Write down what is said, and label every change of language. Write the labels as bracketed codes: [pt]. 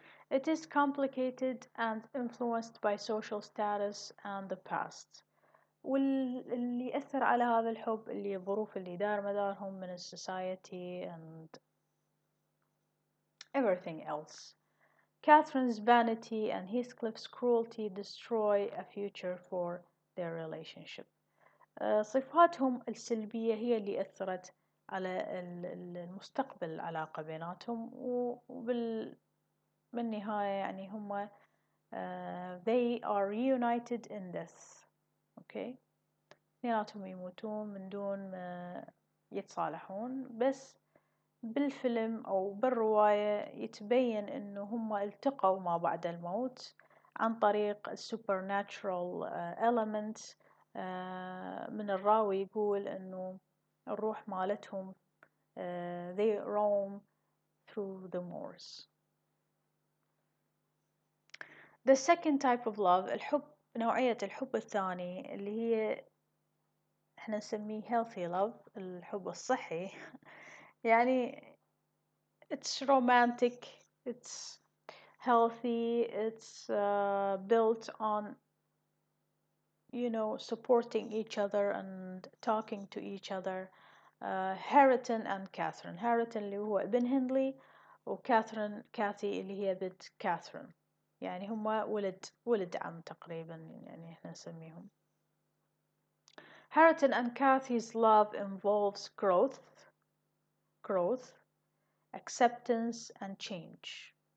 [en] It is complicated and influenced by social status and the past. [ar] واللي أثر على هذا الحب اللي الظروف اللي دار مدارهم من [en] society and everything else. Catherine's vanity and Heathcliff's cruelty destroy a future for their relationship. [ar] صفاتهم السلبية هي اللي أثرت على المستقبل العلاقة بيناتهم، وبالنهاية يعني هما [en] they are reunited in death. Okay. [ar] بيناتهم يموتون من دون ما يتصالحون، بس بالفيلم أو بالرواية يتبين إنه هما التقوا ما بعد الموت عن طريق [en] supernatural element. [ar] من الراوي يقول إنه الروح مالتهم [en] They roam through the moors. The second type of love, [ar] الحب, نوعية الحب الثاني اللي هي احنا نسميه [en] healthy love, [ar] الحب الصحي, يعني [en] it's romantic, it's healthy, it's built on, you know, supporting each other and talking to each other. Harriton and Catherine. [ar] Harriton اللي هو ابن هندلي, وكاثرين كاثي اللي هي بنت كاثرين, يعني هما ولد عم تقريبا, يعني احنا نسميهم. [en] Harriton and Cathy's love involves growth, acceptance and change.